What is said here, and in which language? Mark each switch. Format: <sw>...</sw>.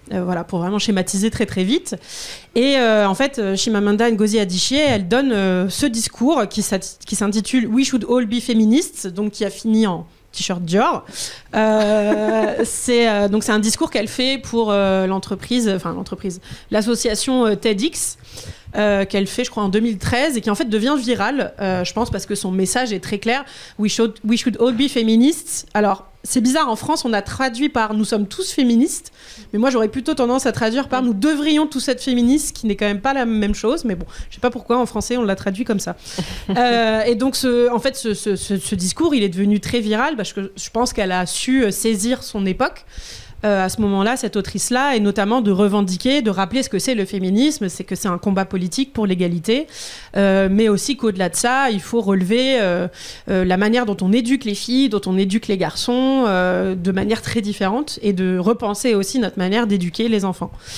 <fr>Voilà, pour vraiment schématiser très très vite. Et en fait, Chimamanda Ngozi Adichie, elle donne ce discours qui s'intitule «</fr> <en>We should all be feminists</en> <fr>», donc qui a fini en t-shirt Dior. donc c'est un discours qu'elle fait pour l'entreprise, l'association TEDx, qu'elle fait, je crois, en 2013 et qui en fait devient virale, je pense, parce que son message est très clair.</fr> <en>We should all be feminists.</en> <fr>Alors, c'est bizarre, en France, on a traduit par « nous sommes tous féministes », mais moi, j'aurais plutôt tendance à traduire par « nous devrions tous être féministes », qui n'est quand même pas la même chose, mais bon, je ne sais pas pourquoi, en français, on l'a traduit comme ça. et donc, ce discours, il est devenu très viral, parce que je pense qu'elle a su saisir son époque, à ce moment-là, cette autrice-là, et notamment de revendiquer, de rappeler ce que c'est le féminisme, c'est que c'est un combat politique pour l'égalité, mais aussi qu'au-delà de ça, il faut relever la manière dont on éduque les filles, dont on éduque les garçons, de manière très différente, et de repenser aussi notre manière d'éduquer les enfants.</fr>